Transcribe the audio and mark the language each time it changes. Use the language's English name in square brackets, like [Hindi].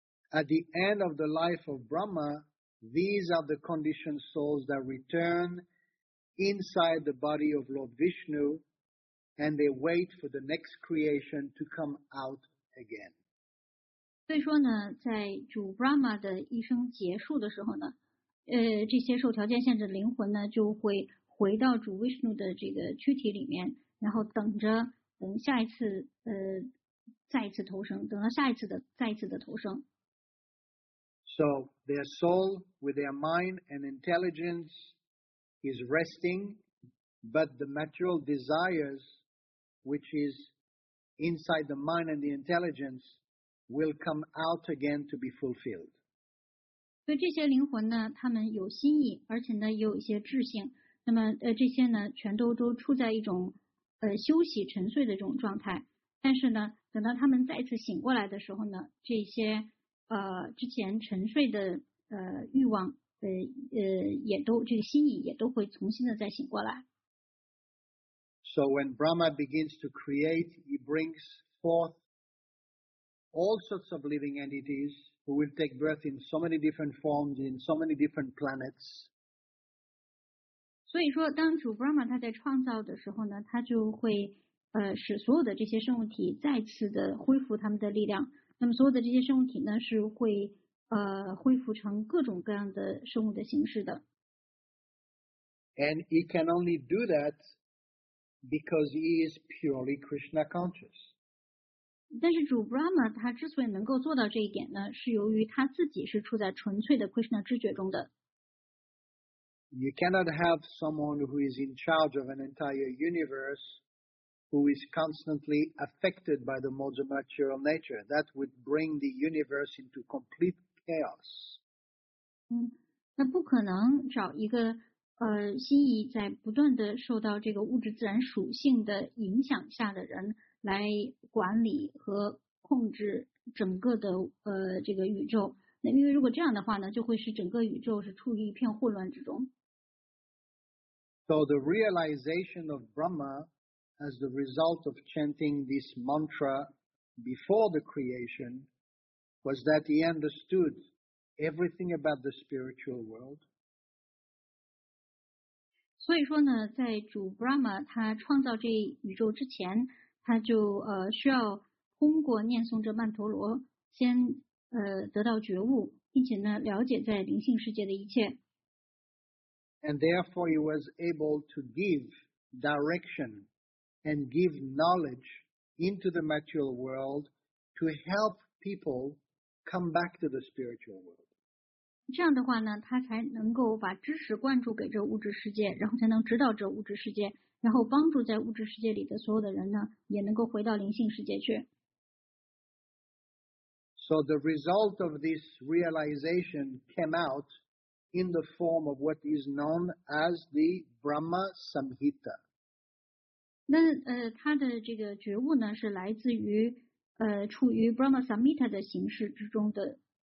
[English] At the end of the life of Brahma, these are the conditioned souls that return. Inside the body of Lord Vishnu, and they wait for the next creation to come out again. [Chinese] 所以说呢，在主 Brahma 的一生结束的时候呢，这些受条件限制的灵魂呢，就会回到主 Vishnu 的这个躯体里面，然后等着等下一次再一次投生，等到下一次的再一次的投生。 [English] So their soul with their mind and intelligence. Is resting, but the material desires, which is inside the mind and the intelligence, will come out again to be fulfilled. [Chinese] 所以这些灵魂呢，他们有心意，而且呢也有一些智性。那么这些呢，全都处在一种休息沉睡的这种状态。但是呢，等到他们再次醒过来的时候呢，这些之前沉睡的欲望。也都这个心意也都会重新的再醒过来。 [English] So when Brahma begins to create, he brings forth all sorts of living entities who will take birth in so many different forms in so many different planets. [Chinese] 所以说，当主 Brahma 他在创造的时候呢，他就会使所有的这些生物体再次的恢复他们的力量。那么所有的这些生物体呢，是会。恢复成各种各样的生物的形式的。 [English] And he can only do that because he is purely Krishna conscious. [Chinese] 但是主 Brahma 他之所以能够做到这一点呢，是由于他自己是处在纯粹的 Krishna 知觉中的。 [English] You cannot have someone who is in charge of an entire universe who is constantly affected by the modes of material nature. That would bring the universe into complete. Chaos. [Chinese] 那不可能找一个心意在不断的受到这个物质自然属性的影响下的人来管理和控制整个的这个宇宙。那因为如果这样的话呢，就会使整个宇宙是处于一片混乱之中。 [English] So the realization of Brahma as the result of chanting this mantra before the creation. Was that he understood everything about the spiritual world? [Chinese] 所以说呢，在主 Brahma 他创造这宇宙之前，他就需要通过念诵这曼陀罗先得到觉悟，并且呢了解在灵性世界的一切。 [English] And therefore he was able to give direction and give knowledge into the material world to help people come back to the spiritual world. [Chinese] 这样的话呢，他才能够把知识灌注给这物质世界，然后才能指导这物质世界，然后帮助在物质世界里的所有的人呢，也能够回到灵性世界去。 [English] So the result of this realization came out in the form of what is known as the Brahma Samhita. [Chinese] 那他的这个觉悟呢，是来自于处于 Brahma Samhita 的形式之中的。